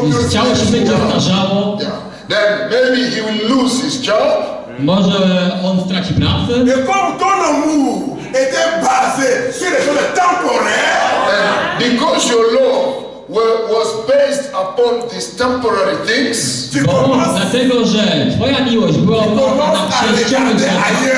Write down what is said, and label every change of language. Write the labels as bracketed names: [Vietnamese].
[Polish] Ciało się będzie starzało. [English] Then maybe he will lose his job. [Polish] Może on straci pracę. [French] Le corps ton amour était basé sur les choses temporaires. [English] Because your love was based upon these temporary things. [Polish] Dlatego, że twoja miłość była oparta na przejściowych rzeczach.